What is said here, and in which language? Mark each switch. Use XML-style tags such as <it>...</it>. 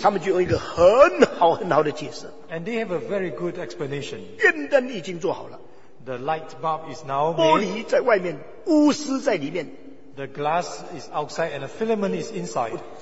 <zh>他们就有一个很好很好的解释。</zh> <en>And they have a very good explanation.</en> <zh>电灯已经做好了。</zh> <en>The light bulb is now made.</en> <zh>玻璃在外面, 钨丝在里面。</zh> <en>The glass is outside and the filament is inside.</en>